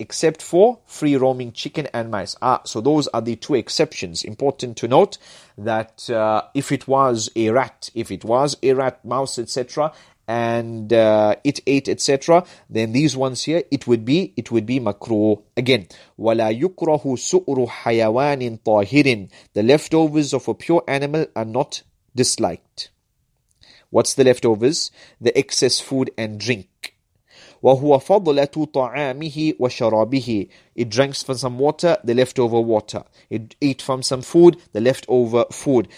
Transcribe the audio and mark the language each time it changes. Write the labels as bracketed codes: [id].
[en] Except for free roaming chicken and mice. Ah, so those are the two exceptions. Important to note that if it was a rat, mouse, etc., and it ate, etc., then these ones here, it would be makruh. [ar] Again, وَلَا يُكْرَهُ سُؤْرُ حَيَوَانٍ طَاهِرٍ. [en] The leftovers of a pure animal are not disliked. What's the leftovers? The excess food and drink. [ar] وَهُوَ فَضْلَةُ طَعَامِهِ وَشَرَابِهِ. [en] It drank from some water, the leftover water. It ate from some food, the leftover food.